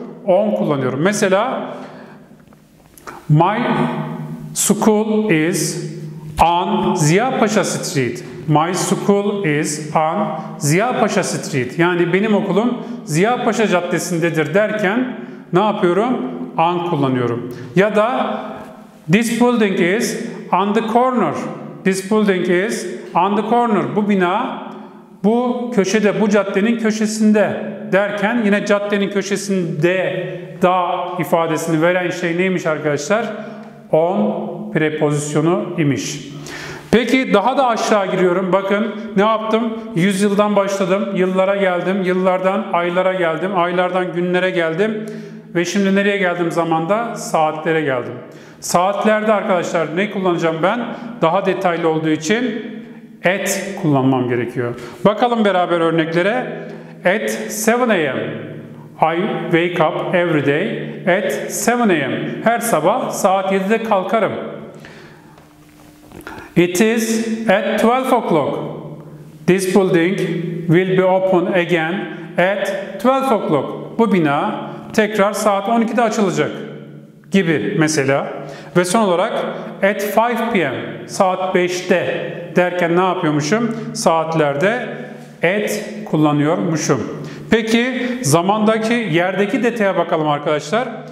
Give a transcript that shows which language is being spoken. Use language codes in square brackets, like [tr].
[tr] 10 kullanıyorum. Mesela [en] my school is on Ziya Paşa Street. My school is on Ziya Paşa Street. [tr] Yani benim okulum Ziya Paşa Caddesi'ndedir derken ne yapıyorum? On kullanıyorum. Ya da [en] this building is on the corner. This building is on the corner. [tr] Bu bina bu köşede, bu caddenin köşesinde derken yine caddenin köşesinde da ifadesini veren şey neymiş arkadaşlar? On prepozisyonu imiş. Peki daha da aşağı giriyorum. Bakın ne yaptım? Yüzyıldan başladım. Yıllara geldim. Yıllardan aylara geldim. Aylardan günlere geldim. Ve şimdi nereye geldim zamanda? Saatlere geldim. Saatlerde arkadaşlar ne kullanacağım ben? Daha detaylı olduğu için at kullanmam gerekiyor. Bakalım beraber örneklere. [en] At 7 a.m. I wake up every day at 7 a.m. [tr] Her sabah saat 7'de kalkarım. [en] It is at 12 o'clock. This building will be open again at 12 o'clock. [tr] Bu bina tekrar saat 12'de açılacak gibi mesela. Ve son olarak [en] at 5 p.m. [tr] saat 5'te derken ne yapıyormuşum? Saatlerde at kullanıyormuşum. Peki zamandaki, yerdeki detaya bakalım arkadaşlar.